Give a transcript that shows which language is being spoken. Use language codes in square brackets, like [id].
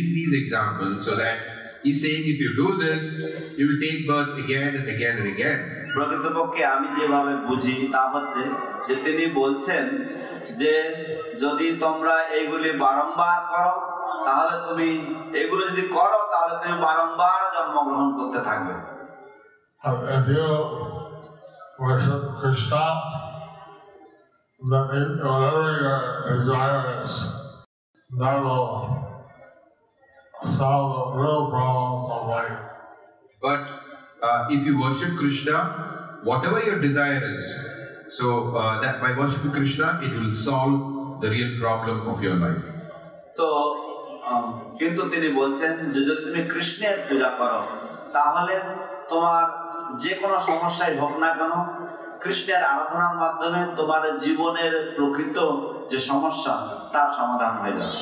[en] He's saying if you do this, you will take birth again and again and again. [bn] প্রকৃতপক্ষে আমি যেভাবে বুঝি তা হচ্ছে যে তিনি বলছেন যে যদি তোমরা এইগুলি বারংবার করো, তাহলে তুমি এগুলো যদি করো তাহলে তুমি বারংবার জন্মগ্রহণ করতে থাকবে। [en] If you worship Krishna, then whatever your desire is, that will solve the real problem of life. But if you worship Krishna, whatever your desire is, so that by worshiping Krishna, it will solve the real problem of your life. [bn] So, কিন্তু তিনি বলছেন যে যদি তুমি কৃষ্ণের পূজা করো তাহলে তোমার যে কোনো সমস্যাই হোক না কেন কৃষ্ণের আরাধনার মাধ্যমে তোমার জীবনের প্রকৃত যে সমস্যা তার সমাধান হয়ে